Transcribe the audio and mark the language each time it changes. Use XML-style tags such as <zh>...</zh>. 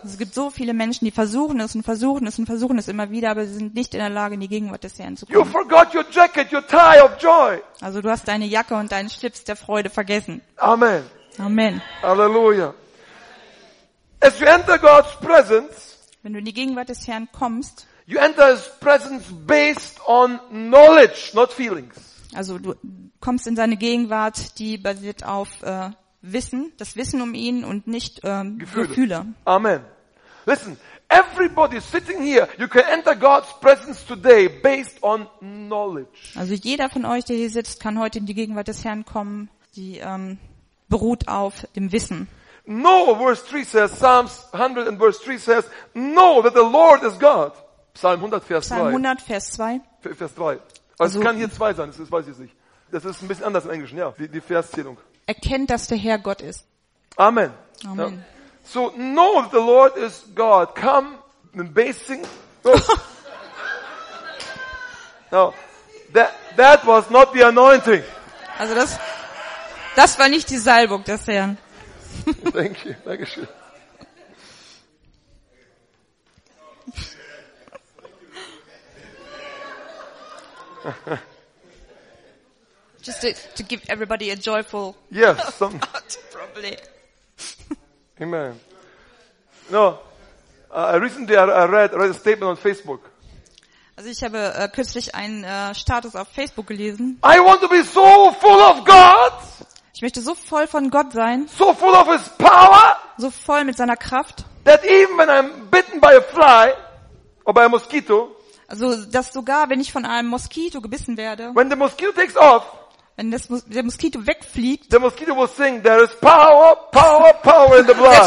<de>Es gibt so viele Menschen, die versuchen es immer wieder, aber sie sind nicht in der Lage, in die Gegenwart des Herrn zu kommen.</de> <en>You forgot your jacket, your tie of joy.</en> <de>Also du hast deine Jacke und deinen Schlips der Freude vergessen.</de> <en>Amen.</en> <de>Amen.</de> <en>Hallelujah. As you enter God's presence,</en> <de>wenn du in die Gegenwart des Herrn kommst,</de> <en>you enter his presence based on knowledge, not feelings.</en> <de>Also du kommst in seine Gegenwart, die basiert auf Wissen, das Wissen um ihn und nicht Gefühle.</de> <en>Amen. Listen, everybody sitting here, you can enter God's presence today based on knowledge.</en> <de>Also jeder von euch, der hier sitzt, kann heute in die Gegenwart des Herrn kommen, die beruht auf dem Wissen.</de> <en>Psalms 100 and verse 3 says, know that the Lord is God.</en> <de>Psalm 100, Vers 2. Also, es kann hier 2 sein, das weiß ich nicht. Das ist ein bisschen anders im Englischen, ja, die Verszählung. Erkennt, dass der Herr Gott ist.</de> <en>Amen.</en> <de>Amen. Ja.</de> <en>So, know that the Lord is God. Come, and basing. No, that was not the anointing.</en> <de>Also, das war nicht die Salbung des Herrn.</de> <en>Thank you,</en> <de>danke schön.</de> <en>Just to give everybody a joyful. Yes, some. Probably. Amen. No, I recently read a statement on Facebook.</en> <de>Also ich habe kürzlich einen Status auf Facebook gelesen.</de> <en>I want to be so full of God.</en> <de>Ich möchte so voll von Gott sein.</de> <en>So full of His power.</en> <de>So voll mit seiner Kraft.</de> <en>That even when I'm bitten by a fly or by a mosquito.</en> <de>Also, dass sogar, wenn ich von einem Moskito gebissen werde,</de> <en>when the mosquito takes off,</en> <de>wenn der Moskito wegfliegt,</de> <en>the mosquito will sing, there is power, power, power in the blood.</en>